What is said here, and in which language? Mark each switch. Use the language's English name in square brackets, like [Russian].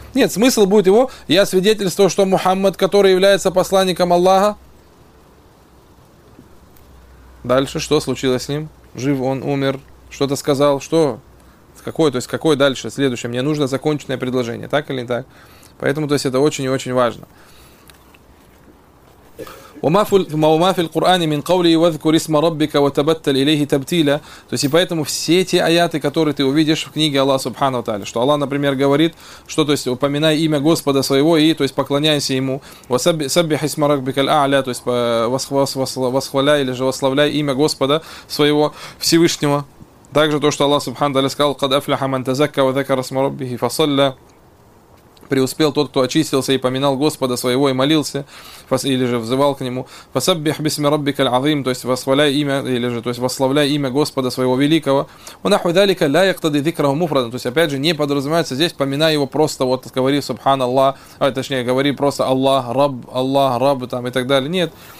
[Russian] Нет, смысл будет его «Я свидетельствую, что Мухаммад, который является посланником Аллаха». Дальше что случилось с ним? Жив он, умер, что-то сказал, что? Какое, то есть какое дальше, следующее? Мне нужно законченное предложение, так или не так? Поэтому, то есть это очень и очень важно. [Arabic] وما في القرآن من قوله واذكر اسم ربك وتبتل إليه تبتيلا. [Russian] То есть, и поэтому все те аяты, которые ты увидишь в книге Аллаха Субхану Тааля, что Аллах, например, говорит, что, то есть, упоминай имя Господа своего и, то есть, поклоняйся Ему. [Arabic] Саббих исма раббика аля, [Russian] то есть, восхваляй или же восславляй имя Господа своего Всевышнего. Также то, что Аллах Субхану Тааля сказал, [Arabic] قد أفلح من تزكى وذكر اسم ربه فصلى. [Russian] Преуспел тот, кто очистился и поминал Господа своего и молился, или же взывал к нему. [Arabic] Фасаббих бисми раббика аль-азим, [Russian] то есть восхваляй имя, или же, то есть восславляй имя Господа своего великого. [Arabic] Ва нахву залика ля йактади дзикрахум муфрадан, [Russian] то есть опять же не подразумевается здесь, поминай его просто вот, говори субханаллах, а точнее говори просто Аллах, Раб там и так далее. Нет.